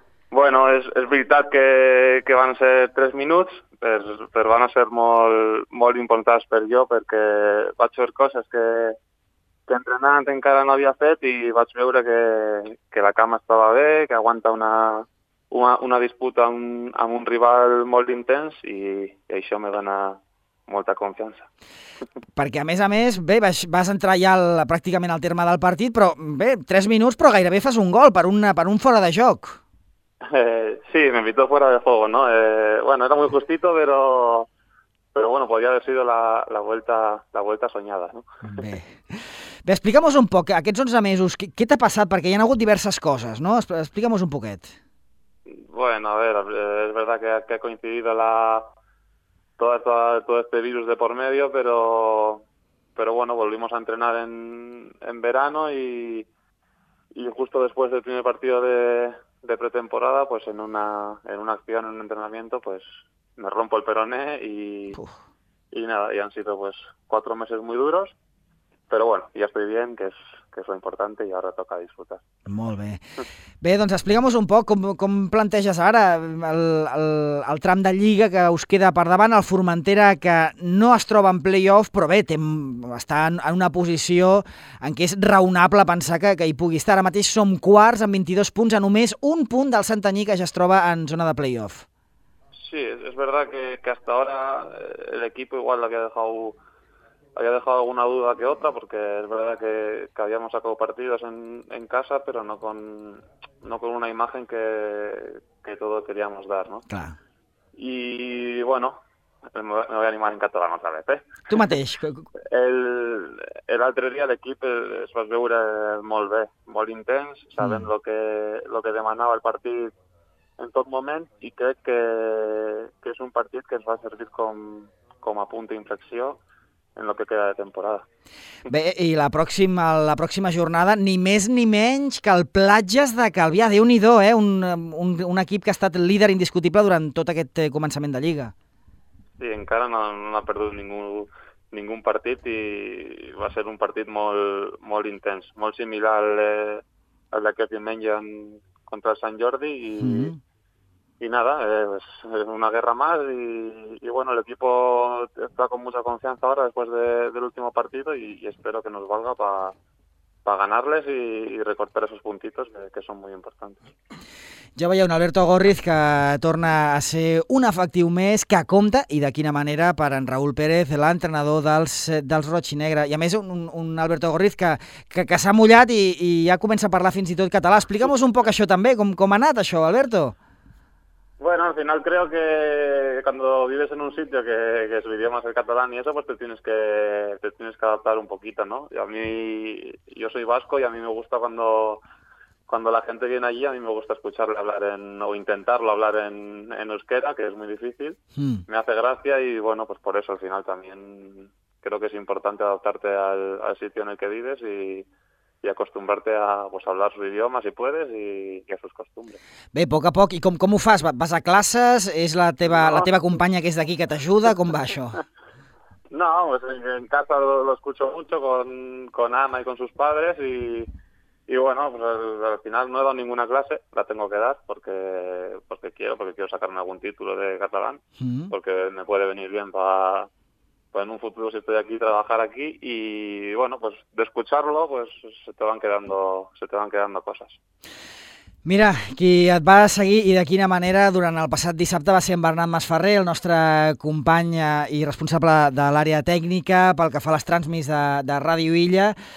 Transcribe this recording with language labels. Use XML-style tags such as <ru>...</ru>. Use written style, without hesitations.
<ca>Bueno, és veritat que van ser 3 minuts, però van ser molt, molt importants per jo, perquè vaig fer coses que entrenant encara no havia fet i vaig veure que la cama estava bé, que aguanta una disputa amb un rival molt intens i això me va anar molta confiança. Perquè, a més, bé, vas entrar ja pràcticament al terme del partit, però bé, 3 minuts, però gairebé fas un gol per un fora de joc.</ca> <es>Sí, me invitó fuera de juego, ¿no? Bueno, era muy justito, pero bueno, podría haber sido la vuelta soñada, ¿no?</es> <ca>Bé, explica'm-nos un poc, aquests 11 mesos, què t'ha passat? Perquè hi ha hagut diverses coses, no? Explica'm-nos un poquet.</ca> <es>Bueno, a ver, es verdad que ha coincidido la... todo este virus de por medio, pero bueno, volvimos a entrenar en verano y justo después del primer partido de pretemporada, pues en una acción, en un entrenamiento, pues me rompo el peroné y nada, y han sido pues 4 meses muy duros, pero bueno, ya estoy bien,</es> <ca>que és l'important, i ara toca disfrutar. Molt bé. Bé, doncs explica'm-nos un poc com planteges ara el tram de Lliga que us queda per davant, el Formentera, que no es troba en play-off, però bé, està en una posició en què és raonable pensar que hi pugui estar. Ara mateix som quarts amb 22 punts, a només un punt del Santanyí, que ja es troba en zona de play-off.</ca> <es>Sí, és verdad que hasta ahora el equipo igual había dejado alguna duda que otra, porque es verdad que habíamos sacado partidos en casa, pero no con una imagen que todos queríamos dar, ¿no? Claro. Y bueno, me voy a animar en catalán otra vez, ¿eh?</es> <ca>Tú mateix. El altre dia l'equip es va veure molt bé, molt intens, saben lo que demanava el partit en tot moment, i crec que és un partit que ens va servir com a punt d'inflexió en lo que queda de temporada. Bé, i la pròxima jornada, ni més ni menys que el Platges de Calvià. Déu-n'hi-do, un equip que ha estat líder indiscutible durant tot aquest començament de Lliga. Sí, encara no ha perdut ningú partit i va ser un partit molt, molt intens, molt similar al d'aquest diumenge contra el Sant Jordi i</ca> <es>nada, es una guerra más y bueno, el equipo está con mucha confianza ahora después del último partido y espero que nos valga para ganarles y recortar esos puntitos que son muy importantes.</es> <ca>Ja veieu, un Alberto Górriz que torna a ser un efectiu més, que compta, i de quina manera, per en Raúl Pérez, l'entrenador dels Roig i Negre. I a més, un Alberto Górriz que s'ha mullat i ja comença a parlar fins i tot català. Explica'm-nos un poc això també, com ha anat això, Alberto?</ca> <es>Bueno, al final creo que cuando vives en un sitio que su idioma es el catalán y eso, pues te tienes que adaptar un poquito, ¿no? Y a mí, yo soy vasco y a mí me gusta cuando la gente viene allí, a mí me gusta escucharle hablar o intentarlo hablar en euskera, que es muy difícil. Me hace gracia y bueno, pues por eso al final también creo que es importante adaptarte al sitio en el que vives y acostumbrarte a pues, hablar su idioma, si puedes, y a sus costumbres.</es> <ca>Bé, a poc a poc, i com ho fas? Vas a classes? És la teva companya que és d'aquí que t'ajuda? Com va això?</ca> <es>No, pues en casa lo escucho mucho con Ana y con sus padres, y bueno, pues al final no he dado ninguna clase, la tengo que dar, porque quiero sacarme algún título de catalán, porque me puede venir bien en un futuro si estoy aquí, trabajar aquí, y bueno, pues de escucharlo pues se te van quedando cosas.</es> <ca>Mira, qui et va seguir i de quina manera durant el passat dissabte va ser en Bernat Masferrer, el nostre company i responsable de l'àrea tècnica pel que fa a les transmis de Ràdio Illa.</ca>